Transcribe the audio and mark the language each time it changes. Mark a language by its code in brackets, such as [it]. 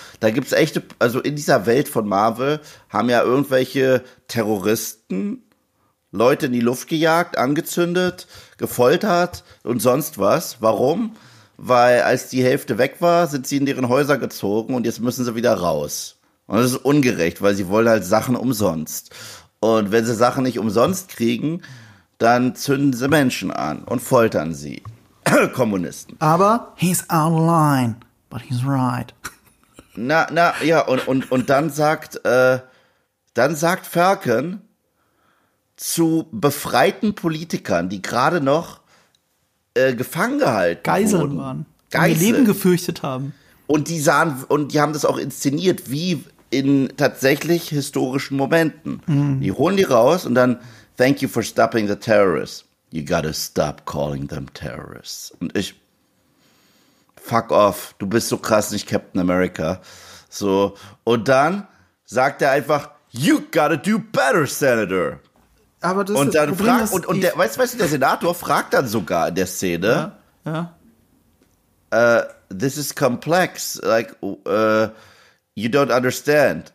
[de] Da gibt's echte, also in dieser Welt von Marvel haben ja irgendwelche Terroristen Leute in die Luft gejagt, angezündet, gefoltert und sonst was. Warum? Weil als die Hälfte weg war, sind sie in deren Häuser gezogen und jetzt müssen sie wieder raus. Und das ist ungerecht, weil sie wollen halt Sachen umsonst. Und wenn sie Sachen nicht umsonst kriegen, dann zünden sie Menschen an und foltern sie. Kommunisten. [en] Aber he's out of line, but he's right. [de] Ja, und dann sagt Falcon zu befreiten Politikern, die gerade noch gefangen gehalten Geiseln wurden. Geiseln waren. Geiseln. Die Leben gefürchtet haben. Und die sahen, und die haben das auch inszeniert, wie in tatsächlich historischen Momenten. Mhm. Die holen die raus und dann, [en] thank you for stopping the terrorists. You gotta stop calling them terrorists. [de] Und ich, fuck off, du bist so krass, nicht Captain America. So, und dann sagt er einfach, [en] you gotta do better, Senator. [de] Aber das und ist dann das Problem, fragt, und der, weißt du, der Senator fragt dann sogar in der Szene, ja. [en] This is complex, like, you don't understand.